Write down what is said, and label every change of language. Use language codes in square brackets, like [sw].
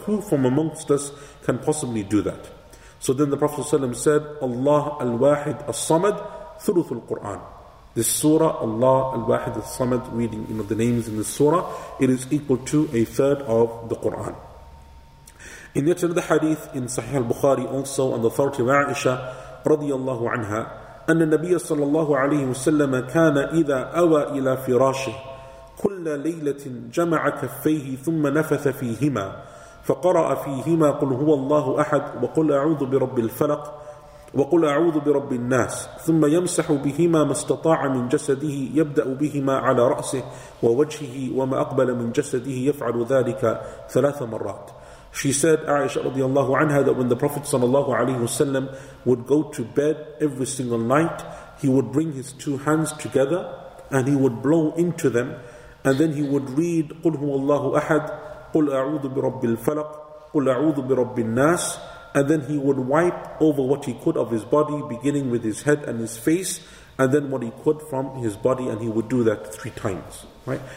[en] Who from amongst us can possibly do that? So then the Prophet ﷺ said, [ar] Allah al-Wahid al-Samad, thuluthul Qur'an. [en] This surah, Allah al-Wahid al-Samad, reading, you know, the names in this surah, it is equal to a third of the Qur'an. In yet another hadith in Sahih al-Bukhari also, on the authority of Aisha, radiyallahu anha, [ar] أن النبي صلى الله عليه وسلم كان إذا أوى إلى فراشه كل ليلة جمع كفيه ثم نفث فيهما فقرأ فيهما قل هو الله أحد وقل أعوذ برب الفلق وقل أعوذ برب الناس ثم يمسح بهما ما استطاع من جسده يبدأ بهما على رأسه ووجهه وما أقبل من جسده يفعل ذلك ثلاث مرات. [en] She said, Aisha radiallahu anha, that when the Prophet sallallahu alayhi wa sallam would go to bed every single night, he would bring his two hands together and he would blow into them, and then he would read [ar] قُلْ هُوَ اللَّهُ أَحَدْ قُلْ أَعُوذُ بِرَبِّ الْفَلَقْ قُلْ أَعُوذُ بِرَبِّ النَّاسِ, [en] and then he would wipe over what he could of his body, beginning with his head and his face, and then what he could from his body, and he would do that three times. Right?